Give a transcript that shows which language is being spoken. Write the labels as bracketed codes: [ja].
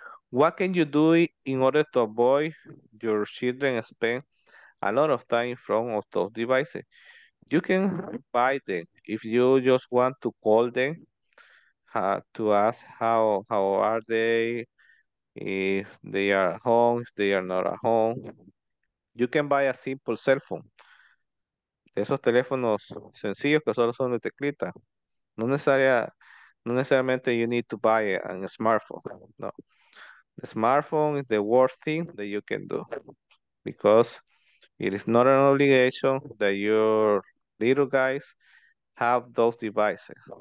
[en] What can you do in order to avoid your children spend a lot of time in front of those devices? You can buy them if you just want to call them to ask how are they, if they are at home, if they are not at home. You can buy a simple cell phone. [es] Esos teléfonos sencillos que solo son de teclita. No necesariamente [en] you need to buy a smartphone. No. The smartphone is the worst thing that you can do because it is not an obligation that your little guys have those devices.